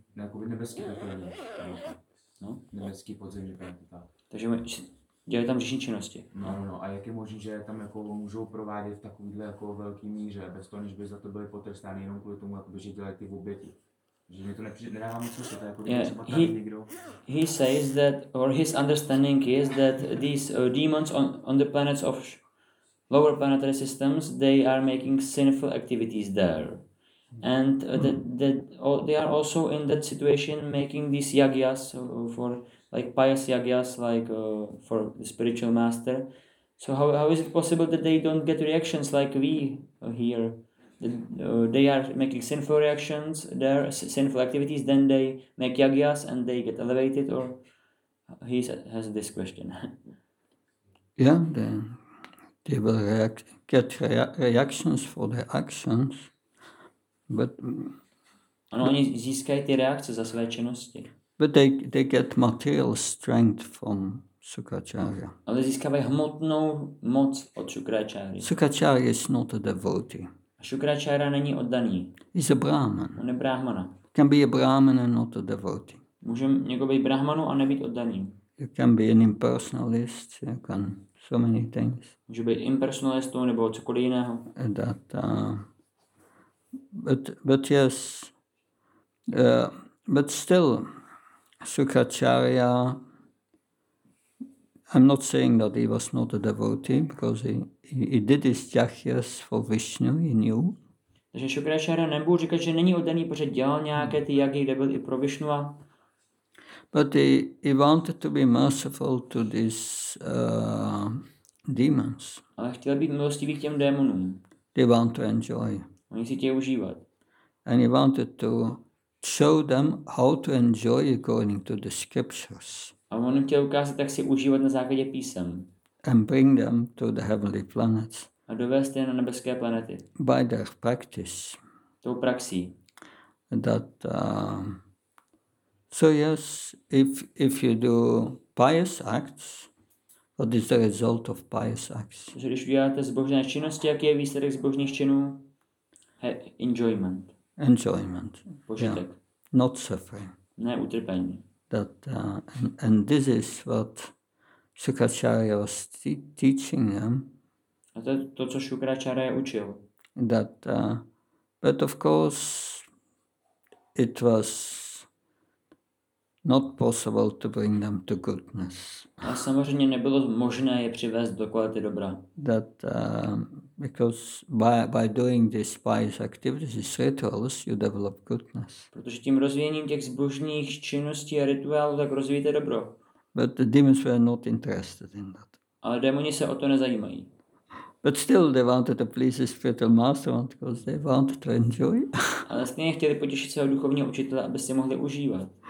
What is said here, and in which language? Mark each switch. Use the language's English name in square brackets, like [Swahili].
[Czech] Ne, jako nebeský pekelní. No? Nebeský podzemní planety, tak. Takže dělají tam hříšní činnosti. No. A jak je možné, že tam jako můžou provádět v takovýhle jako velký míře, bez toho, než by za to byly potrestány jenom kvůli tomu, jakoby, že dělají ty oběti. Že mi to nedává moc smysl, to je jako někdo. [English] He says that, or his understanding is that these demons on the planets of lower planetary systems, they are making sinful activities there. And they are also in that situation making these yagyas for like pious yagyas, like for the spiritual master. So how is it possible that they don't get reactions like we here? They are making sinful reactions, their sinful activities, then they make yagyas and they get elevated, or he has this question. Yeah, they will get reactions for their actions, but... [Czech] Ano, oni získají ty reakce za své činnosti. [English] But they get material strength from Sukracharya. [Czech] Ale získávají hmotnou moc od Sukracharya. [English] Sukracharya is not a devotee. [Czech] Šukračára není oddaný. [English] He's a brahman. [Czech] On je brahmana. [English] Can be a brahman and not a devotee. [Czech] Může někdo být brahmanu a nebýt oddaný. [English] You can be an impersonalist, you can so many things. [Czech] Může být impersonalistou nebo cokoliv jiného. [English] And that, but yes, but still, Šukračária, I'm not saying that he was not a devotee because he did his jachyas for Vishnu, he knew. [Czech] Takže Šukračára nebudu říkat, že není oddaný, protože dělal nějaké ty jachy, kde byl i pro Vishnu. [English] But he wanted to be merciful to these demons. [Czech] Ale chtěl být milostivý k těm démonům. [English] They want to enjoy. [Czech] Oni si chtějí užívat. [English] And he wanted to show them how to enjoy according to the scriptures. [Czech] A on jim chtěl ukázat, jak si užívat na základě písem. [English] And bring them to the heavenly planets. [Czech] A dovést je na nebeské planety. [English] By their practice. [Czech] Tou praxí. [English] that so yes, if you do pious acts, what is the result of pious acts? [Czech] Že když děláte zbožné činnosti, jaký je výsledek zbožných činů? [English] Enjoyment. Enjoyment. [Czech] Požitek. [English] Yeah. Not suffering. [Czech] Ne utrpení. [English] That and this is what Shukracharya was teaching them. [Czech] A to je to, co Shukracharya učil. [English] That, but of course, it was not possible to bring them to goodness. [Czech] A samozřejmě nebylo možné je přivést do kvality dobra. [English] That because by doing these pious activities, these rituals, you develop goodness. [Czech] Protože tím rozvíjením těch zbožných činností a rituálů tak rozvíjete dobro. [English] But the demons were not interested in that. [Czech] Ale démoni se o to nezajímají. [English] But still, they wanted to please the spiritual master because they wanted to enjoy. [Czech] Ale stejně chtěli potěšit svého duchovního učitele, aby si mohli užívat.